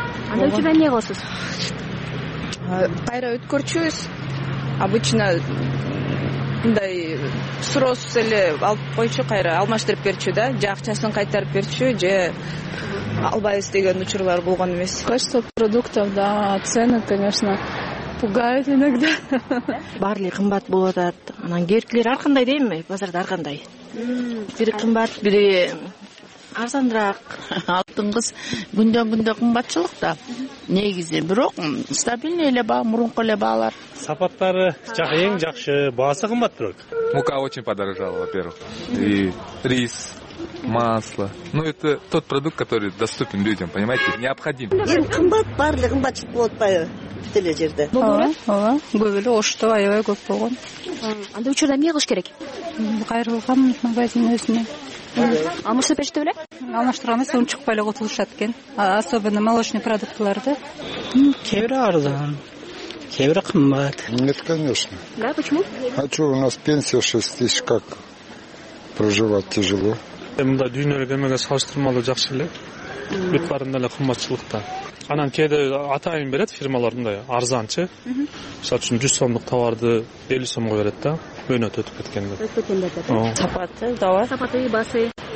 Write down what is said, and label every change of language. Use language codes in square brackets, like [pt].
[ky] Анда учурда эмне кыласыз? Кайра өткөрчүбүз. [ru] Обычно [ky] мындай суроосуз эле алып койчу, кайра алмаштырып берчү да, же акчасын кайтарып берчү, же албайбыз деген учурлар болгон эмес. [ru] Качество продуктов, да, цены, конечно, пугают иногда. [ky] Баары эле кымбат болуп атат. Анан кээбирлер ар кандай дейми, базарда ар кандай. Бири кымбат, бири арзаныраак. Алтыңгыз күндөн күндө кымбатчылык да негизи, бирок стабильный эле баа, мурунку эле баалар. Сапаттары эң жакшы, баасы кымбат бирок. [ru] Мука очень подорожала, во-первых. И рис, масло. Ну это тот продукт, который доступен людям, понимаете, необходим. [ky] Эң кымбат, баары эле кымбатчылык болуп атпайбы? Деле жерде. Ооба, ооба. Көп эле ошто аябай көп болгон. Анда учурда эмне кылыш керек? Кайрылган магазин өзүнө. Алмаштырып беришти беле? Алмаштырган эмес, унчук чыкпай эле кутулушат экен. [ru] Особенно молочный [ky] продуктыларды. Кээ бири арзан, кээ бири кымбат. [ru] Нет, конечно. Да, почему? А что, у нас пенсия 6000, как проживать тяжело. [ky] Мында дүйнөлүк эмеге салыштырмалуу жакшы эле. Бүт баарында эле кымбатчылыкта. Анан кээде атайын берет фирмалар, мындай арзанчы. Мисалы үчүн 100 сомдук товарды 50 сомго берет да, мөөнөт өтүп кеткенде. Өтүп кеткенде атат. Сапаты, даба. Сапаты, басы.